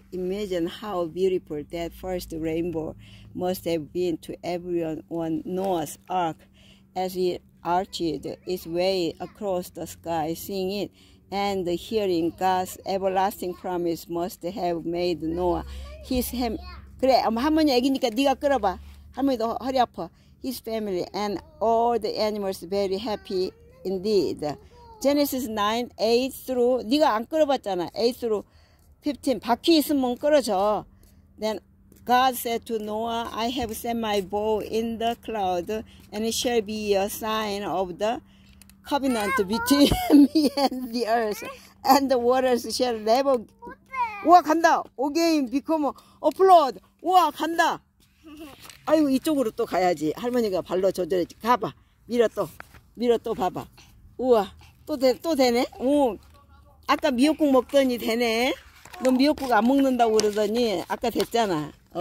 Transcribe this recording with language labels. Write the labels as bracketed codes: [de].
[en] Imagine how beautiful that first rainbow must have been to everyone on Noah's Ark as it arched its way across the sky, seeing it and hearing God's everlasting promise must have made Noah his hem. [ko] 그래, 할머니 애기니까 네가 끌어봐. 할머니도 허리 아파. [en] His family and all the animals very happy indeed. Genesis 9, 8 through, [ko] 네가 안 끌어봤잖아. [en] 8 through 15, [ko] 바퀴 있으면 끌어줘. [en] Then God said to Noah, I have sent my bow in the cloud, and it shall be a sign of the covenant between me and the earth, and the waters shall never... [ko] 우와, 간다! [en] Again, become a flood! [ko] 우와, 간다! 아이고, 이쪽으로 또 가야지. 할머니가 발로 조절했지. 가봐. 밀어 또. 밀어 또 봐봐. 우와, 또 되네? 오, 아까 미역국 먹더니 되네? 너 미역국 안 먹는다고 그러더니 아까 됐잖아.